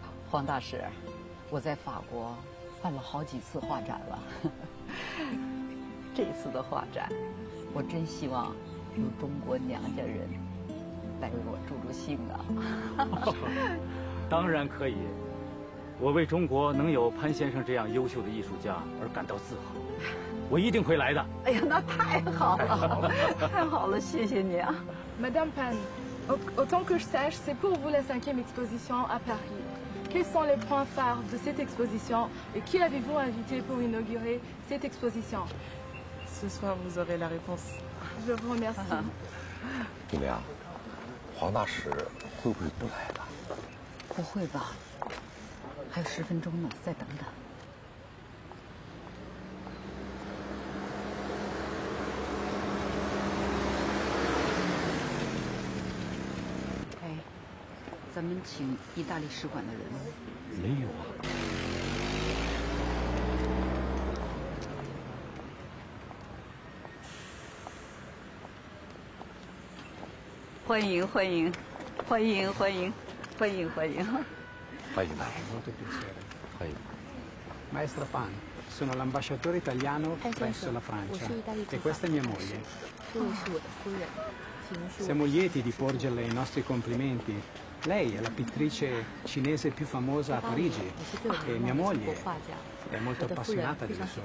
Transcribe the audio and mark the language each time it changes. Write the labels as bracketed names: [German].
[Chinese] 黄大师，我在法国办了好几次画展了，这次的画展，我真希望有中国娘家人来为我助助兴啊。当然可以，我为中国能有潘先生这样优秀的艺术家而感到自豪。我一定会来的。哎呀，那太好了，太好了，谢谢你啊 [French] ，Madame Pan. Autant que je sache, c'est pour vous la cinquième exposition à Paris. Quels sont les points phares de cette exposition et qui avez-vous invité pour inaugurer cette exposition? Ce soir, vous aurez la réponse. Je vous remercie. [Chinese] 玉良，黄大使会不会不来了？不会吧？还有十分钟呢，再等等。咱们请意大利使馆的人吗？没有啊。欢迎欢迎，欢迎欢迎，欢迎欢迎。欢迎来。欢迎。 [Italian] Maestro Pan, sono l'ambasciatore italiano presso la Francia. E questa è mia moglie. [Chinese] 这位是我的夫人。 [Italian] Siamo lieti di porgerle i nostri complimenti. Lei è la pittrice cinese più famosa a Parigi e mia moglie è molto appassionata della sua